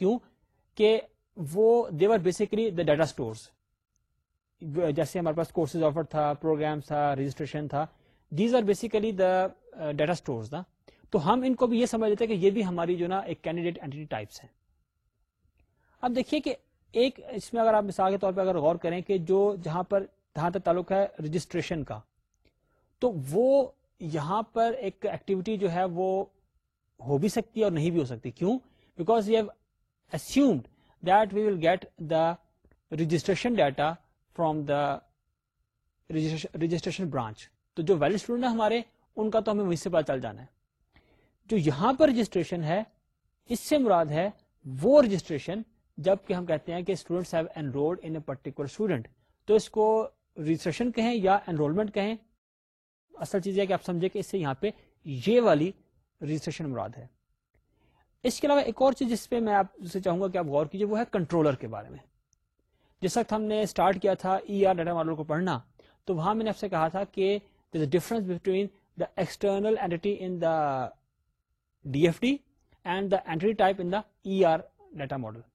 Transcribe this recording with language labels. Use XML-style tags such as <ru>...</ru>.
<ur>کیوں؟ کہ وہ</ur> <en>they're basically the data stores,</en> <ur>جیسے ہمارے پاس کورسز آفر تھا, پروگرام تھا, رجسٹریشن تھا,</ur> <en>these are basically the data stores</en> <ur>نا, تو ہم ان کو بھی یہ سمجھ لیتے کہ یہ بھی ہماری جو نا ایک کینڈیڈیٹ اینٹیٹی ٹائپس ہیں. اب دیکھیے کہ ایک اس میں اگر آپ مثال کے طور پہ اگر غور کریں کہ جو جہاں پر جہاں تک تعلق ہے رجسٹریشن کا, تو وہ یہاں پر ایک ایکٹیویٹی جو ہے وہ ہو بھی سکتی ہے اور نہیں بھی ہو سکتی.</ur> <en>کیوں؟ Because we have assumed that we will get the registration data from the registration branch.</en> <ur>تو جو ویلڈ اسٹوڈنٹ ہیں ہمارے ان کا تو ہمیں وہیں سے پتا چل جانا ہے. جو یہاں پر رجسٹریشن ہے اس سے مراد ہے وہ رجسٹریشن جبکہ ہم کہتے ہیں کہ</ur> <en>students have enrolled in a particular student,</en> <ur>تو اس کو رجسٹریشن کہیں یا انرولمنٹ کہیں, اصل چیز یہ کہ آپ سمجھے کہ اس سے یہاں پہ یہ والی رجسٹریشن مراد ہے. اس کے علاوہ ایک اور چیز جس پہ میں آپ سے چاہوں گا کہ آپ غور کیجئے وہ ہے کنٹرولر کے بارے میں. جس وقت ہم نے اسٹارٹ کیا تھا ای آر ڈیٹا ماڈل کو پڑھنا, تو وہاں میں نے آپ سے کہا تھا کہ</ur> <en>there's a difference between the external entity in the DFD and the entity type in the ER data model.</en>